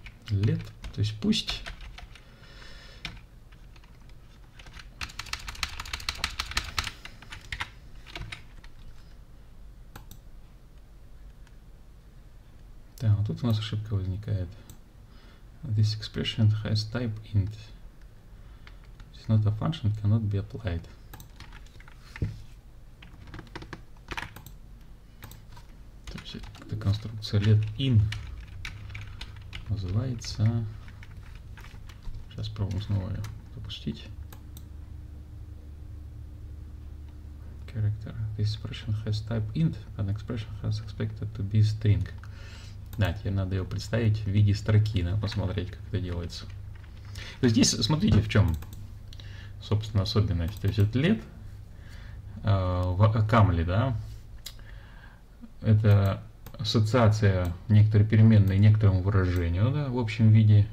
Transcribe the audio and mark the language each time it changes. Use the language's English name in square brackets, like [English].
[Russian] Лет, то есть пусть Да, вот тут у нас ошибка возникает. [English] This expression has type int. It's not a function, cannot be applied. [Russian] То есть эта конструкция let in называется. Сейчас пробуем снова ее запустить. [English] Character. This expression has type int. An expression has expected to be string. [Russian] Да, тебе надо ее представить в виде строки, надо посмотреть, как это делается. То есть здесь, смотрите, в чем, собственно, особенность. То есть этот let в камле, да, это ассоциация некоторой переменной некоторому выражению, да, в общем виде.